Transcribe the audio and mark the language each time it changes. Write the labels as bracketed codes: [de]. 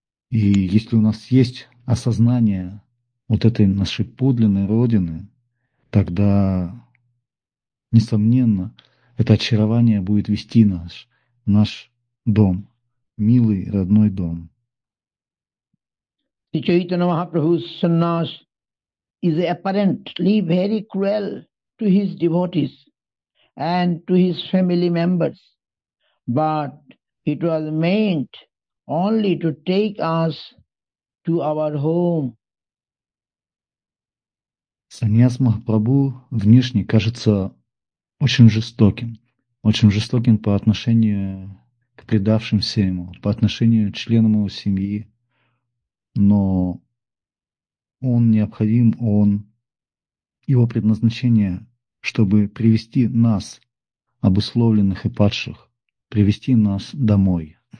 [ru] И если у нас есть осознание вот этой нашей подлинной родины, тогда, несомненно, это очарование будет вести наш дом, милый родной дом. [en] Sri Chaitanya Mahaprabhu's sannyas is apparently very cruel to his devotees and to his family members, but it was meant only to take us to our home. [ru] Саньяс Махапрабху внешне кажется очень жестоким по отношению к предавшимся ему, по отношению к членам его семьи, но он необходим, он, его предназначение, чтобы привести нас, обусловленных и падших, привести нас домой.